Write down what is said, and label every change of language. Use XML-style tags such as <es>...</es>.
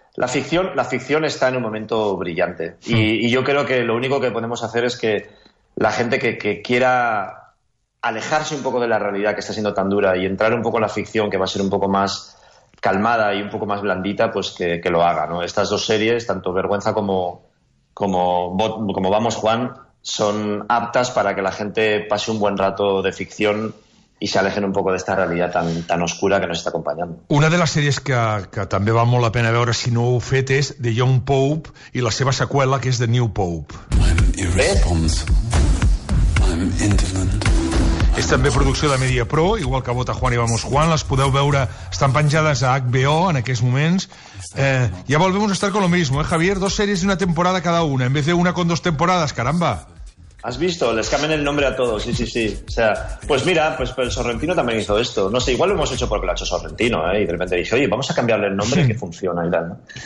<es>La ficción está en un momento brillante. Y yo creo que lo único que podemos hacer es que la gente que quiera alejarse un poco de la realidad que está siendo tan dura y entrar un poco en la ficción, que va a ser un poco más calmada y un poco más blandita, pues que lo haga, ¿no? Estas dos series, tanto Vergüenza como Vamos Juan, son aptas para que la gente pase un buen rato de ficción y se alejen un poco de esta realidad tan, tan oscura que nos está acompañando.</es> <ca>Una de les sèries que també val molt la pena veure si no ho heu fet és The Young Pope i la seva seqüela, que és The New Pope.</ca> <en>I'm irresponsible. I'm indolent.</en> <ca>És també producció de Mediapro, igual que Vota Juan i Vamos Juan. Les podeu veure, estan penjades a HBO en aquests moments.</ca> <es>Ja volvemos a estar con lo mismo, Javier.</es> <ca>Dos sèries i una temporada cada una,</ca> <es>en vez de una con dos temporadas, caramba. ¿Has visto? Les cambian el nombre a todos, sí, sí, sí. O sea, pues mira, pues el Sorrentino también hizo esto. No sé, igual lo hemos hecho porque lo ha hecho Sorrentino, ¿eh? Y de repente dije, oye, vamos a cambiarle el nombre, que funciona y tal, ¿no?</es>